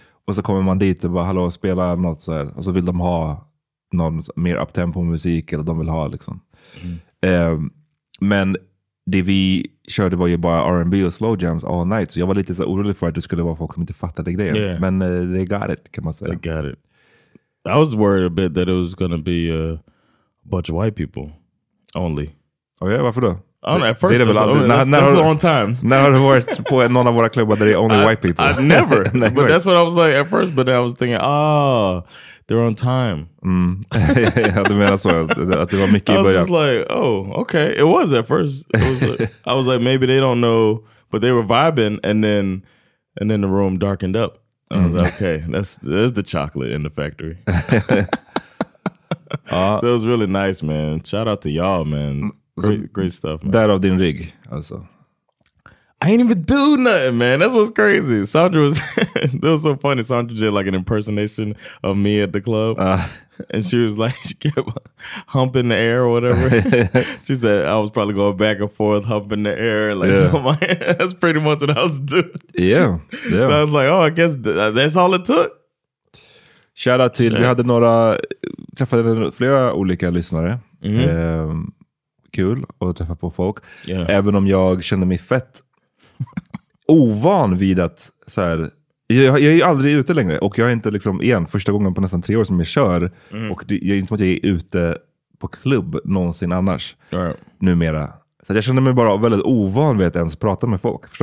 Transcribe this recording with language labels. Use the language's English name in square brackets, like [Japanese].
[Swedish] Och så kommer man dit och bara, hallå, spela något så här. Och så vill de ha någon mer uptempo musik eller de vill ha liksom. Men det vi körde var ju bara R&B och slow jams all night. Så jag var lite så orolig för att det skulle vara folk som inte fattade grejen. [English] Yeah. [Swedish] Men [English] they got it, [Swedish] kan man säga. [English] They got it. I was worried a bit that it was going to be a bunch of white people only. Oh yeah, [Swedish] varför då? [English] At first, [Swedish] det var [English] that's the wrong time. [Swedish] När har du varit på någon av våra klubbar där det är [English] only white people? I never. But that's what I was like at first. But then I was thinking, they're on time. Mm. [Swedish] Ja, du menar så, att det var mycket I början. [English] Was just like, oh, okay. It was at first. It was like, I was like, maybe they don't know, but they were vibing, and then the room darkened up. I was like, okay, that's the chocolate in the factory. So it was really nice, man. Shout out to y'all, man. Great stuff, man. That of din rig, also. I ain't even do nothing, man. That's what's crazy. Sandra was, that was so funny. Sandra did like an impersonation of me at the club. And she was like, she kept humping the air or whatever. She said I was probably going back and forth, humping the air. Like, yeah. That's pretty much what I was doing. Yeah. Yeah. So I was like, oh, I guess that's all it took. Shout out [Swedish] till, vi hade några, träffade flera olika lyssnare. Mm-hmm. Kul att träffa på folk. [English] Yeah. [Swedish] Även om jag kände mig fett ovan vid att så här, jag är ju aldrig ute längre och jag är inte liksom igen första gången på nästan 3 år som jag kör och det är inte som att jag är ute på klubb någonsin annars numera, så jag känner mig bara väldigt ovan vid att ens prata med folk.